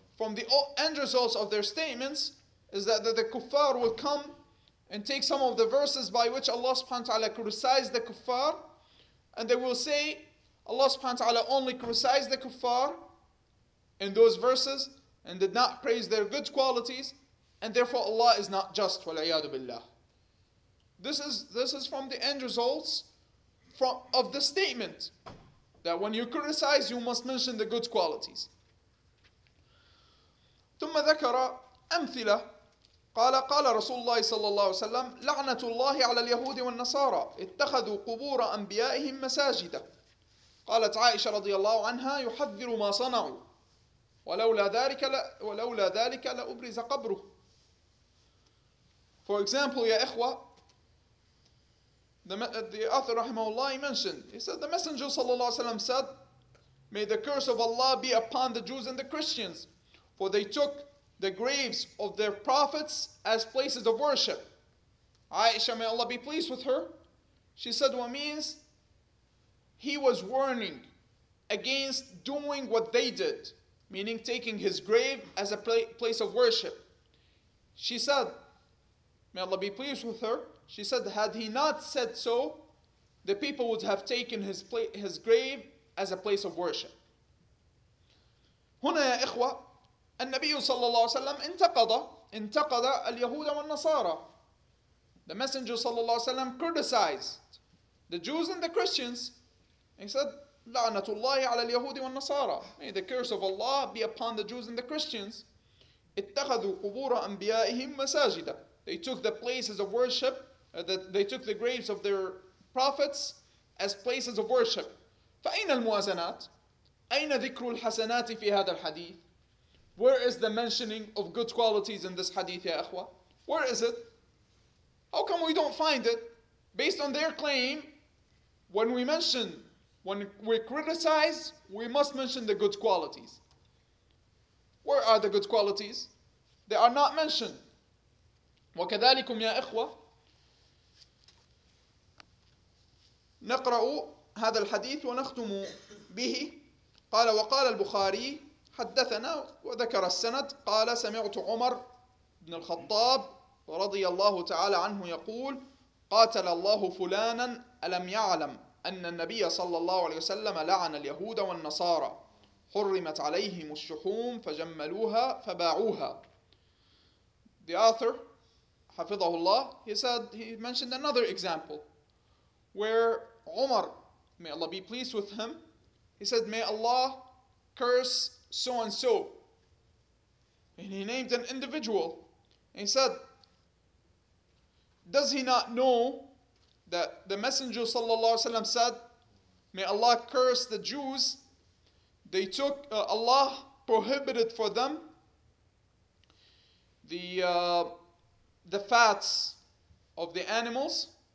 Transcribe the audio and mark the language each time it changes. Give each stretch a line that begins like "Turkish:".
English: From the end results of their statements is that the kuffar will come and take some of the verses by which Allah subhanahu wa ta'ala criticized the kuffar, and they will say Allah subhanahu wa ta'ala only criticized the kuffar in those verses and did not praise their good qualities, and therefore Allah is not just.
Arabic: وَالْعِيَادُ بِاللَّهِ.
English: This is from the end results of the statement that when you criticize, you must mention the good qualities.
Arabic: ثم ذكر أمثلة. قال رسول الله صلى الله عليه وسلم لعنة الله على اليهود والنصارى اتخذوا قبور أنبيائهم مساجدا. قالت عائشة رضي الله عنها يحذر ما صنعوا ولولا ذلك لأبرز قبره.
English: For example,
Arabic: يا إخوة،
English: the author
Arabic: رحمه الله
English: mentioned, he said the messenger
Arabic: صلى الله عليه وسلم
English: said, may the curse of Allah be upon the Jews and the Christians, for they took the graves of their prophets as places of worship. Aisha, may Allah be pleased with her, she said, what means? He was warning against doing what they did, meaning taking his grave as a place of worship. She said, may Allah be pleased with her, she said, had he not said so, the people would have taken his grave as a place of worship.
Arabic: هنا يا إخوة، النبي صلى الله عليه وسلم انتقد اليهود والنصارى.
English: The messenger
Arabic: صلى الله عليه وسلم
English: criticized the Jews and the Christians. He said,
Arabic: لعنة الله على اليهود والنصارى.
English: May the curse of Allah be upon the Jews and the Christians.
Arabic: اتخذوا قبور أنبيائهم مساجدا.
English: They took the places of worship, they took the graves of their prophets as places of worship.
Arabic: فأين الموازنات؟ أين ذكر الحسنات في هذا الحديث؟
English: Where is the mentioning of good qualities in this hadith,
Arabic: يا أخوة?
English: Where is it? How come we don't find it? Based on their claim, when we mention, when we criticize, we must mention the good qualities. Where are the good qualities? They are not mentioned.
Arabic: وكذلكم يا إخوة نقرأ هذا الحديث ونختم به. قال وقال البخاري حدثنا وذكر السند قال سمعت عمر بن الخطاب رضي الله تعالى عنه يقول قاتل الله فلانا ألم يعلم أن النبي صلى الله عليه وسلم لعن اليهود والنصارى حرمت عليهم الشحوم فجملوها فباعوها.
English: The author
Arabic: حفظه الله,
English: he mentioned another example where Umar, may Allah be pleased with him, he said, may Allah curse so and so. And he named an individual. And he said, does he not know that the Messenger sallallahu alaihi wasallam said, may Allah curse the Jews, they took, Allah prohibited for them the fats of the animals.